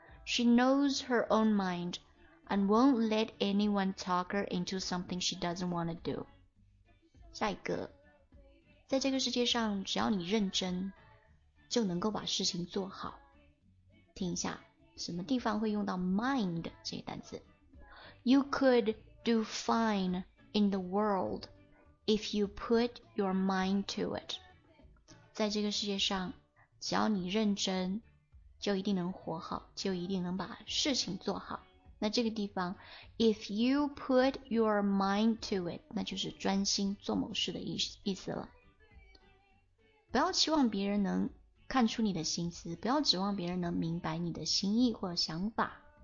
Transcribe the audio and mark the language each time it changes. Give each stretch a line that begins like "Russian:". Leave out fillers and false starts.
English: She knows her own mind and won't let anyone talk her into something she doesn't want to do.
Chinese: 下一个，在这个世界上只要你认真就能够把事情做好。听一下什么地方会用到 mind 这个单词。
English: You could do fine in the world if you put your mind to it.
Chinese: 在这个世界上只要你认真就一定能活好，就一定能把事情做好。那这个地方
English: If you put your mind to it，
Chinese: 那就是专心做某事的意思了。不要期望别人能看出你的心思，不要指望别人能明白你的心意或想法。